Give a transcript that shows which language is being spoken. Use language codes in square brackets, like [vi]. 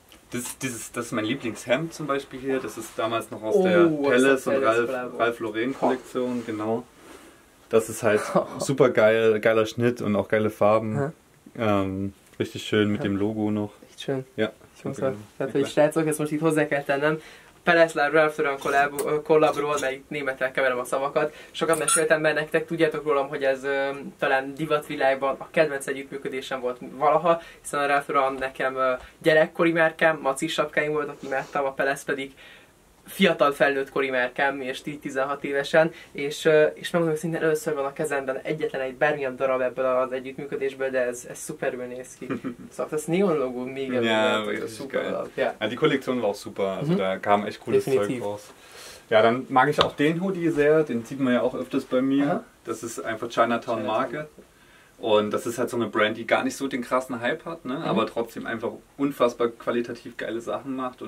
[de] Das ist mein Lieblingshemd zum Beispiel hier. Das ist damals noch aus der Palace und Ralph Lauren Kollektion. Genau. Das ist halt super geil. Geiler Schnitt und auch geile Farben. Richtig schön mit dem Logo noch. Echt schön. Ja. [hu] Ezt most itt hozzá kell tennem. Peleszlár, Ralph Lauren kollabról, mert itt németre keverem a szavakat. Sokat meséltem be nektek, tudjátok rólam, hogy ez talán divatvilágban a kedvenc együttműködésem volt valaha, hiszen a Ralph Lauren nekem gyerekkori márkám, macis sapkáim voltak, imádtam, a Pelesz pedig fiatal felnőttkori merkem, és 16 évesen, és megmondom, hogy először van a kezemben egyetlen egy bármilyen darab ebből az együttműködésből, de ez szuperül néz ki. Szóval ez neon logó, még ebben ez szuper. Ja. [de] Die Kollektion war auch super, also da kam echt cooles Zeug raus. Ja, dann mag ich auch den Hoodie sehr, den sieht man ja auch öfters bei mir. Aha. Das ist einfach Chinatown Marke. Und das ist halt so eine Brand, die gar nicht so den krassen Hype hat, ne? Aber trotzdem einfach unfassbar qualitativ geile Sachen macht.